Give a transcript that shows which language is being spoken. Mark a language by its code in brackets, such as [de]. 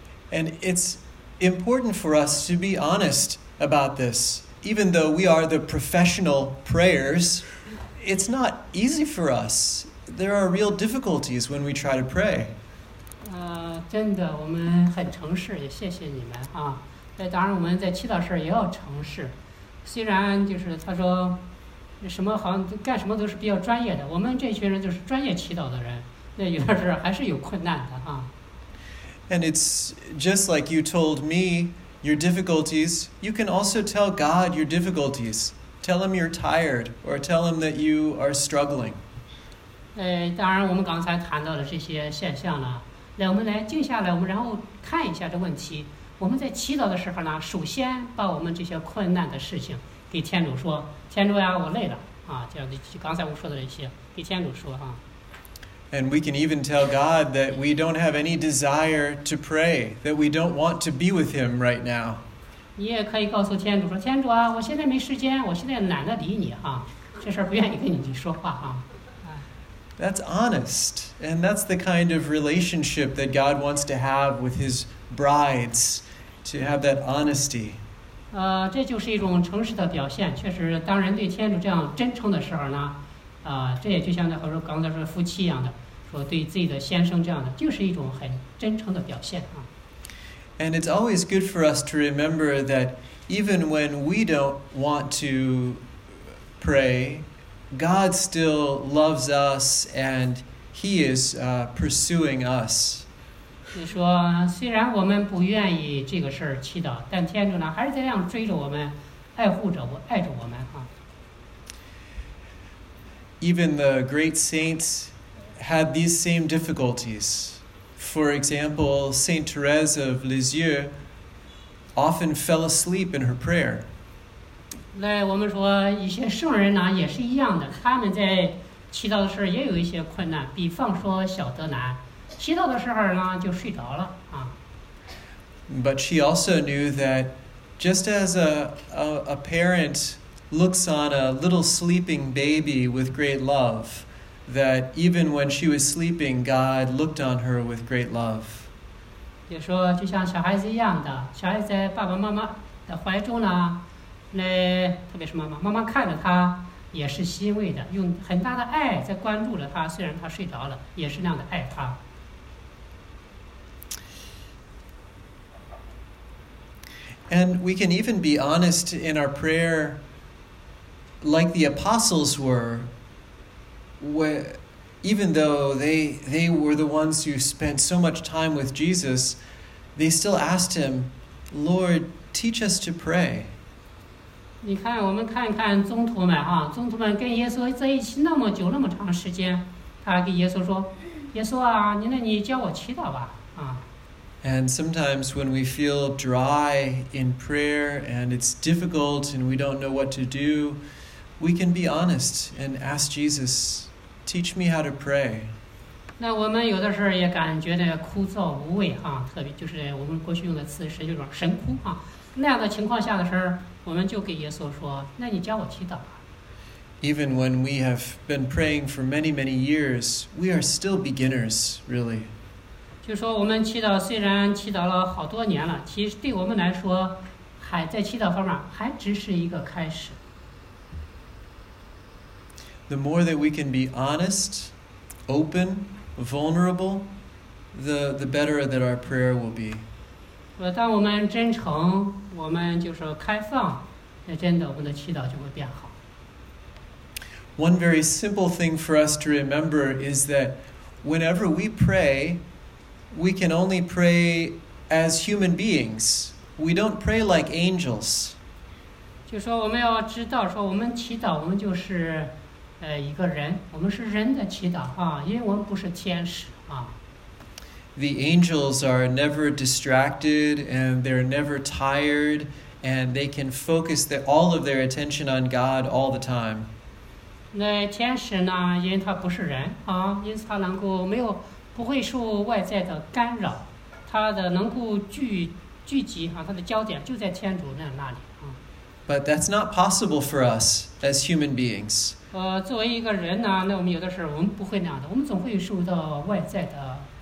[en] And it's important for us to be honest about this. Even though we are the professional prayers, it's not easy for us. There are real difficulties when we try to pray. [zh] 真的，我们很诚实，也谢谢你们啊。那当然，我们在祈祷时也要诚实。虽然就是他说，什么好像干什么都是比较专业的，我们这群人就是专业祈祷的人，那有的时候还是有困难的啊。 [en] And it's just like you told me your difficulties. You can also tell God your difficulties. Tell him you're tired, or tell him that you are struggling. [zh] 当然，我们刚才谈到的这些现象了。来，我们来静下来，我们然后看一下这问题。我们在祈祷的时候呢，首先把我们这些困难的事情给天主说：“天主呀，我累了啊！” 就刚才我说的这些，给天主说啊。 [en] And we can even tell God that we don't have any desire to pray, that we don't want to be with Him right now. [zh] 你也可以告诉天主说：“天主啊，我现在没时间，我现在懒得理你啊，这事儿不愿意跟你说话啊。” [en] That's honest, and that's the kind of relationship that God wants to have with His brides, to have that honesty. [zh] 这就是一种诚实的表现。确实，当人对天主这样真诚的时候呢，这也就像在和说刚才说夫妻一样的，说对自己的先生这样的，就是一种很真诚的表现啊。 [en] And it's always good for us to remember that even when we don't want to pray, God still loves us, and He is pursuing us. [zh] 你说，虽然我们不愿意这个事儿祈祷，但天主呢，还是在这样追着我们，爱护着我，爱着我们啊。 [en] Even the great saints had these same difficulties. For example, Saint Therese of Lisieux often fell asleep in her prayer. [zh] 来，我们说一些圣人呢也是一样的，他们在祈祷的时候也有一些困难，比方说小德南，祈祷的时候呢就睡着了啊。 [en] But she also knew that just as a parent looks on a little sleeping baby with great love, that even when she was sleeping, God looked on her with great love. [zh] 也说就像小孩子一样的，小孩子在爸爸妈妈的怀中呢。那特别是妈妈，妈妈看着她也是欣慰的，用很大的爱在关注着她。虽然她睡着了，也是那样的爱她。 [en] And we can even be honest in our prayer, like the apostles were. Even though they were the ones who spent so much time with Jesus, they still asked Him, "Lord, teach us to pray." [zh] 你看，我们看看宗徒们啊，宗徒们跟耶稣在一起那么久，那么长时间，他还跟耶稣说：“耶稣啊，你教我祈祷吧。” 啊。 [en] And sometimes when we feel dry in prayer and it's difficult and we don't know what to do, we can be honest and ask Jesus, "Teach me how to pray." [zh] 那我们有的时候也感觉的枯燥无味啊，特别就是我们过去用的词神就是神枯啊，那样的情况下的时候。我们就给耶稣说，那你教我祈祷吧。 [en] Even when we have been praying for many, many years, we are still beginners, really. [zh] 就说我们祈祷，虽然祈祷了好多年了，其实对我们来说，还在祈祷方面还只是一个开始。 [en] The more that we can be honest, open, vulnerable, the better that our prayer will be. [zh] 当我们真诚，我们就是开放，那真的我们的祈祷就会变好。 [en] One very simple thing for us to remember is that whenever we pray, we can only pray as human beings. We don't pray like angels. [zh] 就说我们要知道说我们祈祷我们就是一个人，我们是人的祈祷啊，因为我们不是天使啊。 [en] The angels are never distracted and they're never tired and they can focus all of their attention on God all the time. [zh] 那天使呢，因为他不是人啊，因此他能够没有不会受外在的干扰，他的能够聚集啊，他的焦点就在天主那里啊。 [en] But that's not possible for us as human beings. [zh] 作为一个人呢，那我们有的时候我们不会那样的，我们总会受到外在的。